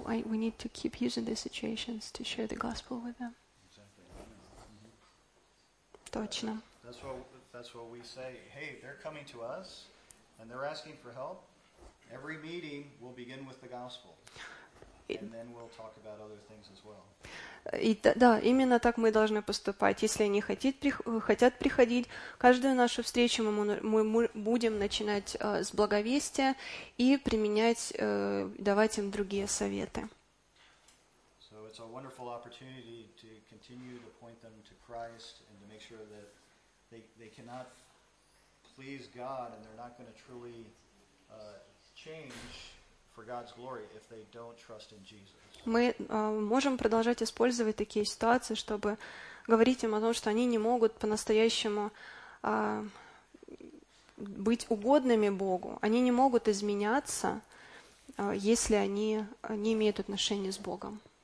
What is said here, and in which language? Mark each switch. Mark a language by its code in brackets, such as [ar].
[en] We need to keep using these situations to share the gospel with them. [ru] Точно. [en] That's what we say. Hey, they're coming to us, and they're asking for help. Every meeting will begin with the gospel. And then we'll talk about other things as well. [ru] И да, именно так мы должны поступать. Если они хотят приходить, каждую нашу встречу мы будем начинать с благовестия и применять, давать им другие советы. [en] So it's a wonderful opportunity to continue to point them to Christ and to make sure that they cannot please God and they're not going to truly change for God's glory if they don't trust in Jesus. [ru] Мы можем продолжать использовать такие ситуации, чтобы говорить им о том, что они не могут по-настоящему быть угодными Богу. Они не могут изменяться, если они не имеют отношения с Богом.